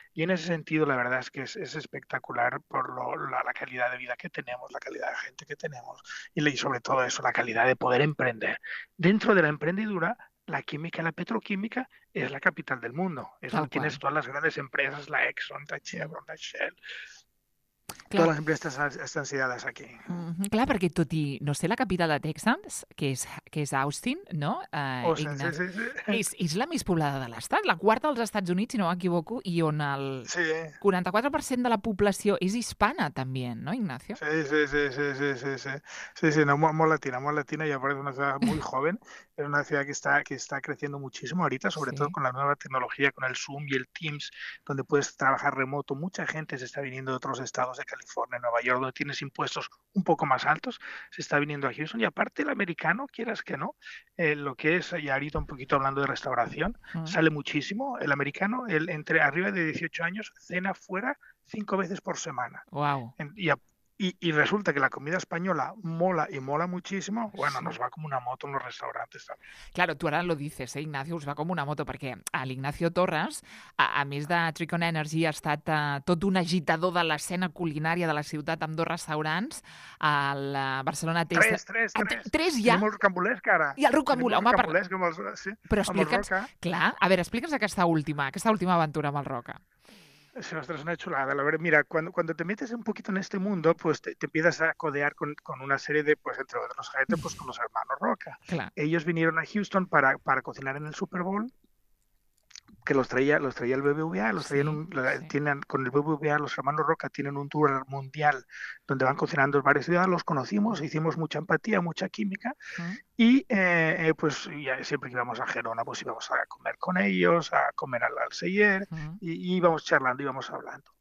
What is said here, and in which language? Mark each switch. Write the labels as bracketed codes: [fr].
[es] Y en ese sentido, la verdad es que es espectacular por la calidad de vida que tenemos, la calidad de gente que tenemos y sobre todo eso, la calidad de poder emprender. Dentro de la emprendedura, la química, la petroquímica, es la capital del mundo. Es donde tienes todas las grandes empresas, la Exxon, la Chevron, la Shell. [ca] Clar. [es] Todas las empresas están sediadas aquí. Mm-hmm. [ca] Clar, perquè tot i no ser la capital de Texas, que és Austin, no? És la més poblada de l'estat, la quarta dels Estats Units, si no m'equivoco, i on el 44% de la població és hispana, també, no, Ignacio? Sí, no, molt latina, i a part és una ciutat molt joven, és una ciutat que està [es] creciendo muchísimo ahorita, sobretot con la nueva tecnología, con el Zoom y el Teams, donde puedes trabajar remoto. Mucha gente se está viniendo de otros estados, de California, Nueva York, donde tienes impuestos un poco más altos, se está viniendo a Houston. Y aparte, el americano, quieras que no, lo que es, y ahorita un poquito hablando de restauración, sale muchísimo. El americano, entre arriba de 18 años, cena fuera 5 veces por semana. Wow. Y resulta que la comida española mola y mola muchísimo. Bueno, nos va como una moto en los restaurantes también. Claro, tú ahora lo dices, Ignacio, os va como una moto, porque al [ca] Ignacio Torres, a més de Tricon Energy, ha estat tot un agitador de l'escena culinària de la ciutat amb 2 restaurants, al Barcelona Test. Tres ja. Tenim el Rocambolesca ara. I el Rocambolesca, home. Però explica'ns aquesta última aventura amb el Roca. [es] Ostras, una chulada. La verdad, mira, cuando te metes un poquito en este mundo, pues te empiezas a codear con una serie de, pues entre otros, gente, pues con los hermanos Roca. Claro. Ellos vinieron a Houston para cocinar en el Super Bowl, que los traía el BBVA, los traían Sí, un, la, sí. tienen, con el BBVA, los hermanos Roca tienen un tour mundial donde van cocinando en varias ciudades, los conocimos, hicimos mucha empatía, mucha química, y pues ya, siempre que íbamos a Gerona, pues íbamos a comer con ellos, a comer al Alceyer, y íbamos charlando, íbamos hablando.